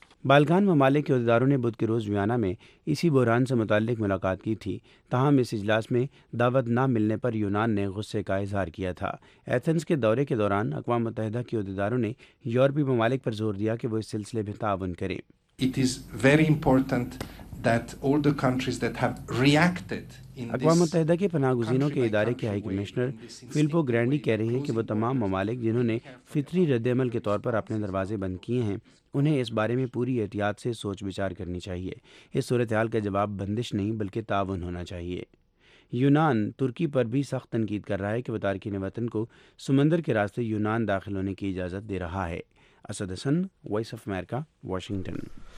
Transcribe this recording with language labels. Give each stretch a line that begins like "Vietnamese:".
Urdu: بالکان ممالک کے عہدیداروں نے بدھ کے روز ویانا میں اسی بحران سے متعلق ملاقات کی تھی، تاہم اس اجلاس میں دعوت نہ ملنے پر یونان نے غصے کا اظہار کیا تھا۔ ایتھنز کے دورے کے دوران اقوام متحدہ کے عہدیداروں نے یورپی ممالک پر زور دیا کہ وہ اس سلسلے میں تعاون کریں۔
English: It is very important that all the countries that have reacted
Urdu: اقوام متحدہ کے پناہ گزینوں کے ادارے کے ہائی کمشنر فلپو گرینڈی کہہ رہے ہیں کہ وہ تمام ممالک جنہوں نے فطری رد عمل کے طور پر اپنے دروازے بند کیے ہیں، انہیں اس بارے میں پوری احتیاط سے سوچ بچار کرنی چاہیے۔ اس صورتحال کا جواب بندش نہیں بلکہ تعاون ہونا چاہیے۔ یونان ترکی پر بھی سخت تنقید کر رہا ہے کہ وہ تارکین وطن کو سمندر کے راستے یونان داخل ہونے کی اجازت دے رہا ہے۔ اسد حسن، وائس آف امریکہ، واشنگٹن۔